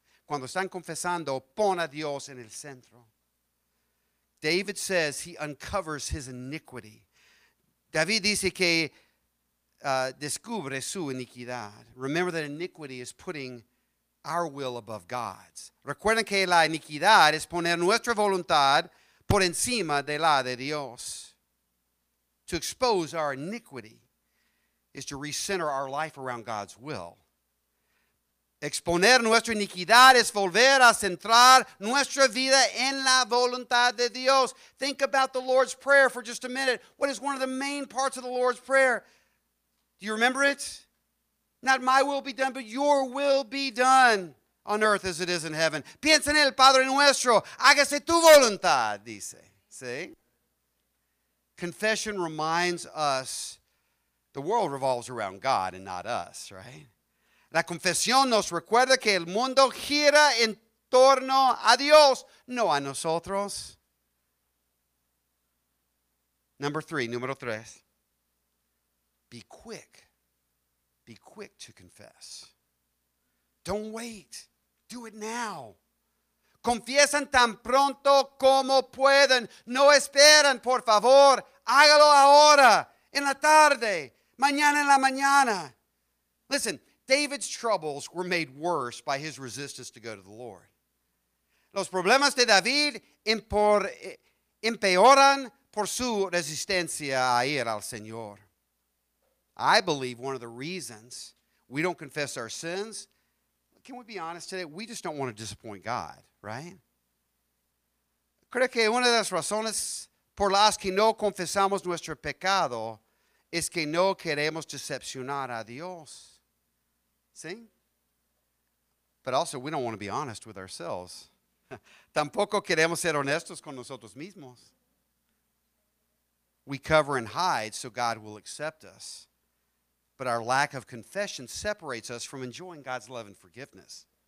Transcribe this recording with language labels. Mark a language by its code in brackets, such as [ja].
[es] Cuando están confesando, pon a Dios en el centro. [en] David says he uncovers his iniquity. [es] David dice que descubre su iniquidad. [en] Remember that iniquity is putting our will above God's. [es] Recuerden que la iniquidad es poner nuestra voluntad por encima de la de Dios. [en] To expose our iniquity is to recenter our life around God's will. [es] Exponer nuestra iniquidad es volver a centrar nuestra vida en la voluntad de Dios. [en] Think about the Lord's Prayer for just a minute. What is one of the main parts of the Lord's Prayer? Do you remember it? Not my will be done, but your will be done on earth as it is in heaven. [es] Piensa en el Padre nuestro. Hágase tu voluntad, dice. [en] See? Confession reminds us the world revolves around God and not us, right? [es] La confesión nos recuerda que el mundo gira en torno a Dios, no a nosotros. [en] Number three, [es] número tres. [en] Be quick to confess. Don't wait, do it now. [es] Confiesan tan pronto como pueden. No esperen, por favor, hágalo ahora, en la tarde, mañana en la mañana. [en] Listen, David's troubles were made worse by his resistance to go to the Lord. [es] Los problemas de David empeoran por su resistencia a ir al Señor. [en] I believe one of the reasons we don't confess our sins, can we be honest today? We just don't want to disappoint God, right? [es] Creo que una de las razones por las que no confesamos nuestro pecado es que no queremos decepcionar a Dios. [en] See? But also, we don't want to be honest with ourselves. [es] Tampoco queremos ser honestos con nosotros mismos. [en] We cover and hide so God will accept us. But our lack of confession separates us from enjoying God's love and forgiveness.